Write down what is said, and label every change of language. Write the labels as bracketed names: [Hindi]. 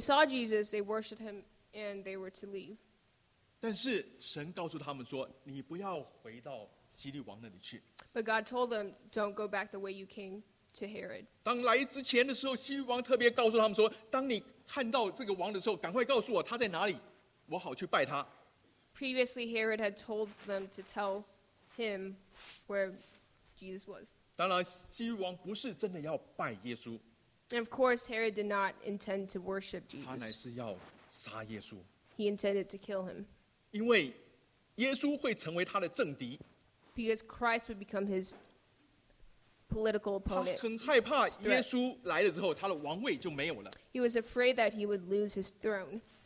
[English] saw Jesus, they worshipped him, and they were to leave. [Chinese] 但是神告诉他们说，你不要回到希律王那里去。 [English] But God told them, don't go back the way you came to Herod. [Chinese] 当来之前的时候，希律王特别告诉他们说，当你看到这个王的时候，赶快告诉我他在哪里。 [English] Previously, Herod had told them to tell him where Jesus was. [Chinese] 当然，希律王不是真的要拜耶稣。 [English] And of course, Herod did not intend to worship Jesus. [Chinese] 他乃是要杀耶稣。 [English] He intended to kill him. [Chinese] 因为耶稣会成为他的政敌。 [English] Because Christ would become his political opponent. [Chinese] 他很害怕耶稣来了之后，他的王位就没有了。 [English] He was afraid that he would lose his throne.